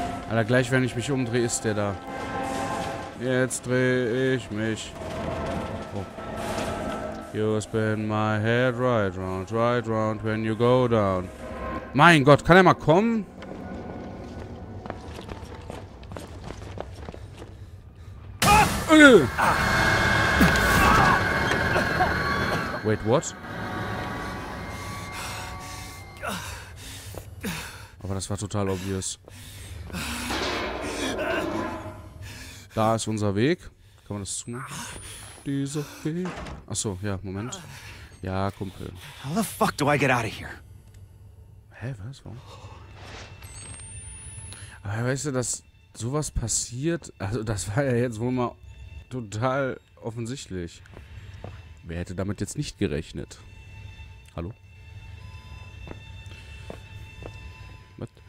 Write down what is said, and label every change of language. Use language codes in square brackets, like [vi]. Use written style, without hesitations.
[de] Alter, gleich wenn ich mich umdrehe, ist der da. Jetzt drehe ich mich. [en] You spin my head right round when you go down. [de] Mein Gott, kann er mal kommen? [en] Wait, what? [de] Aber das war total obvious. Da ist unser Weg. Kann man das tun? Dieser Weg. Achso, ja, Moment. Ja, Kumpel. [en] How the fuck do I get out of here? [de] Hä, was? Warum? Aber weißt du, dass sowas passiert? Also, das war ja jetzt wohl mal total offensichtlich. Wer hätte damit jetzt nicht gerechnet? Hallo? Was?